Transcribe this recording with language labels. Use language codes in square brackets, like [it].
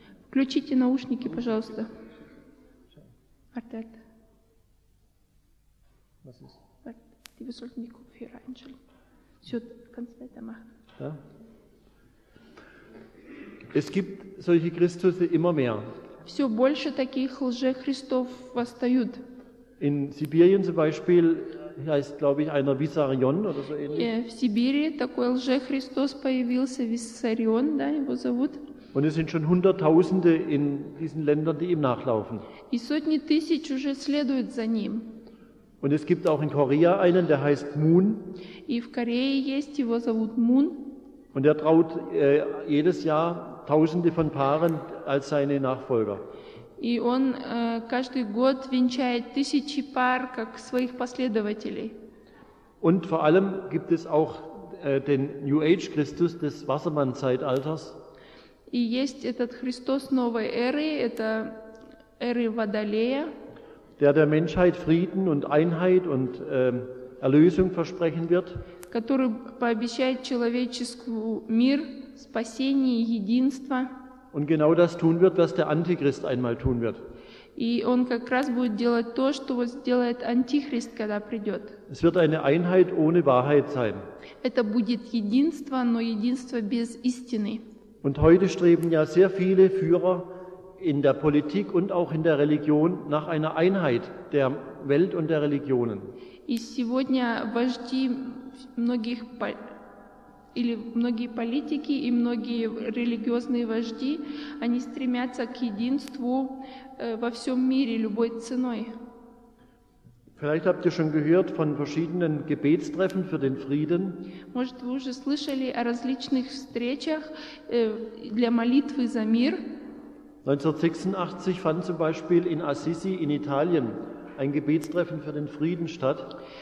[ru] Включите наушники, пожалуйста. Артета. [de] Was ist? Warte, wir sollten die Kopfhörer einschalten. So, kannst du weitermachen. Ja. Es gibt solche Christusse immer mehr. [ru] Все больше таких лжехристов восстают. [de] In Sibirien zum Beispiel heißt, glaube ich, einer Vissarion oder so ähnlich. [ru] В Сибири такой лжехристос появился, Виссарион, да, его зовут. [de] Und es sind schon Hunderttausende in diesen Ländern, die ihm nachlaufen. [ru] И сотни тысяч уже следуют за ним. [de] Und es gibt auch in Korea einen, der heißt Moon. [ru] И в Корее есть, его зовут Moon. [de] Und er traut jedes Jahr Tausende von Paaren als seine Nachfolger. [ru] И он каждый год венчает тысячи пар как своих последователей. [de] Und vor allem gibt es auch den New Age Christus des Wassermann-Zeitalters. [ru] И есть этот Христос новой эры, это эры Водолея. [de] Der Menschheit Frieden und Einheit und Erlösung versprechen wird. [ru] Который пообещает человеческому мир, спасение, единство. [de] Und genau das tun wird, was der Antichrist einmal tun wird. [ru] И он как раз будет делать то, что сделает Антихрист, когда придет. [de] Es wird eine Einheit ohne Wahrheit sein. [ru] Это будет единство, но единство без истины. [de] Und heute streben ja sehr viele Führer in der Politik und auch in der Religion nach einer Einheit der Welt und der Religionen. [ru] И сегодня вожди многих или многие политики и многие религиозные вожди, они стремятся к единству во всем мире любой ценой. [de] Vielleicht habt ihr schon gehört von verschiedenen Gebetstreffen für den Frieden. [ru] Может, вы уже слышали о различных встречах для молитвы за мир. [de] 1986 fand zum Beispiel in Assisi in Italien ein Gebetstreffen für den Frieden statt.